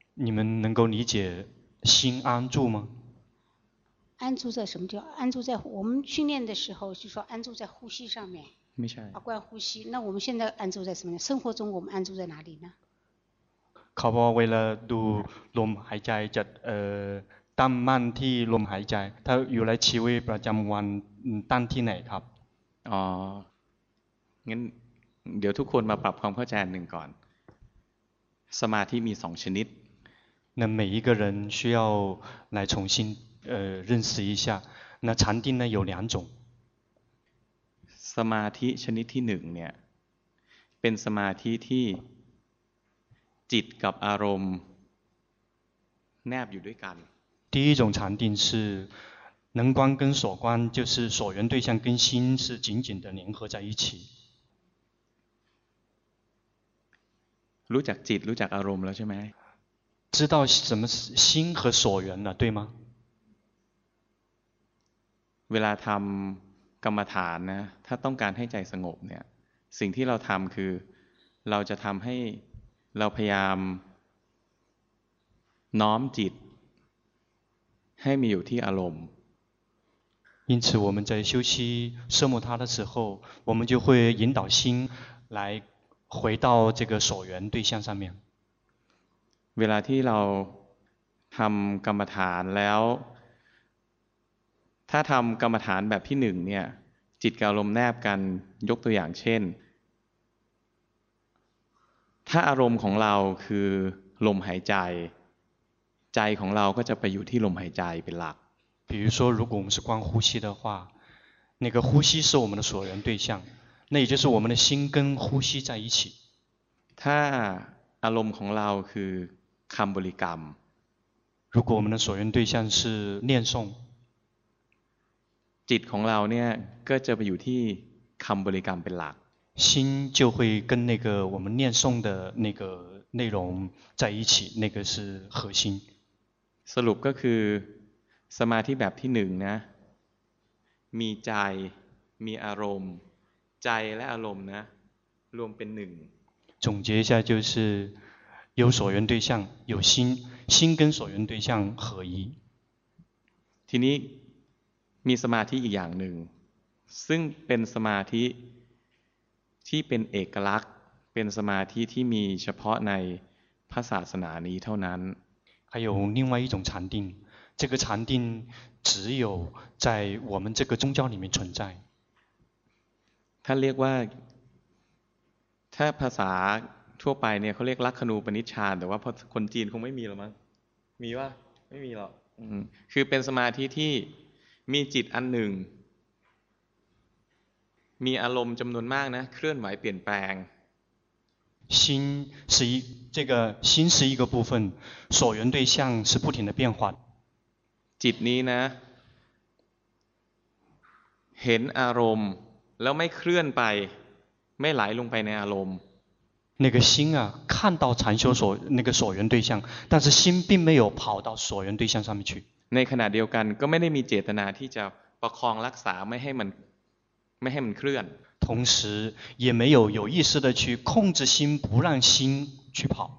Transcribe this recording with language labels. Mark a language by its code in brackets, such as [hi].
[zh] 你们能够理解心安住吗安住在什么叫安住在我们训练的时候就说安住在呼吸上面没事啊观呼吸那我们现在安住在什么生活中我们安住在哪里呢考不好为了读 [th] ลมหายใจจะตั้งมั่นที่ลมหายใจถ้าอยู่ในชีวิตประจำวันตั้งที่ไหนครับ งั้นเดี๋ยวทุกคนมาปรับความเข้าใจหนึ่งก่อนสมาธิมี2ชนิด [zh] 那每一个人需要来重新认识一下那禅定呢有两种 [th] สมาธิชนิดที่1เนี่ยเป็นสมาธิที่จิตกับอารมณ์แนบอยู่ด้วยกัน [zh] 第一种禅定是能观跟所观就是所缘对象跟心是紧紧的联合在一起 [th] รู้จักจิตรู้จักอารมณ์แล้วใช่ไหม [zh] 知道什么心和所缘了对吗 [th] เวลาทำกรรมฐานนะถ้าต้องการให้ใจสงบเนี่ยสิ่งที่เราทำคือเราจะทำให้เราพยายามน้อมจิตให้มีอยู่ที่อารมณ์ [zh] 因此我们在修习奢摩他的时候我们就会引导心来回到这个所缘对象上面。 [th] เวลาที่เราทำกรรมฐานแล้วถ้าทำกรรมฐานแบบที่หนึ่งเนี่ยจิตกับอารมณ์แนบกันยกตัวอย่างเช่นถ้าอารมณ์ของเราคือลมหายใจใจของเราก็จะไปอยู่ที่ลมหายใจเป็นหลัก [zh] 比如说如果我们是观呼吸的话那个呼吸是我们的所缘对象那也就是我们的心跟呼吸在一起 [th] ถ้าอารมณ์ของเราคือคำบริกรรม [zh] 如果我们的所缘对象是念诵 [th] จิตของเราเนี่ยก็จะไปอยู่ที่คำบริกรรมเป็นหลัก [zh] 心就会跟那个我们念诵的那个内容在一起那个是核心 [th] สรุปก็คือสมาธิแบบที่หนึ่งนะมีใจมีอารมณ์ใจและอารมณ์นะรวมเป็นหนึ่ง [zh] 总结一下就是有所缘对象有心心跟所缘对象合一 [th] ทีนี้มีสมาธิอีกอย่างหนึ่งซึ่งเป็นสมาธิที่เป็นเอกลักษณ์เป็นสมาธิที่มีเฉพาะในพระศาสนานี้เท่านั้น [zh] 还有另外一种禅定这个禅定只有在我们这个宗教里面存在 [th] ถ้าเรียกว่าถ้าภาษาทั่วไปเนี่ยเขาเรียกลักขณูปนิชฌานแต่ว่าคนจีนคงไม่มีหรอกมั้งมีป่ะไม่มีหรอกคือเป็นสมาธิที่มีจิตอันหนึ่งมีอารมณ์จำนวนมากนะเคลื่อนไหวเปลี่ยนแปลง [zh] 心是一这个心是一个部分所缘对象是不停的变化 [th] จิตนี้นะเห็นอารมณ์แล้วไม่เคลื่อนไปไม่ไหลลงไปในอารมณ์ [zh] 那个心啊看到禅修所那个所缘对象但是心并没有跑到所缘对象上面去 [th] ในขณะเดียวกันก็ไม่ได้มีเจตนาที่จะประคองรักษาไม่ให้มันเคลื่อน [zh] 同时也没有有意识的去控制心不让心去跑